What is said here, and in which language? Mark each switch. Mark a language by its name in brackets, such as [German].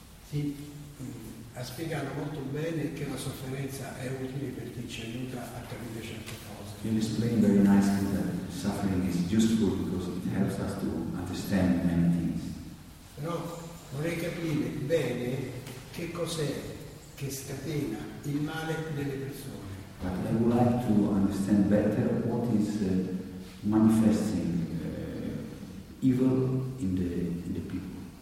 [Italian] Sì, ha spiegato molto bene che la sofferenza è utile perché ci aiuta a capire certe cose. [English] You explained very nicely that suffering is useful because it helps us to understand many things. [Italian] Però vorrei capire bene che cos'è che scatena il male nelle persone. [English] But I would like to understand better what is manifesting evil in the people.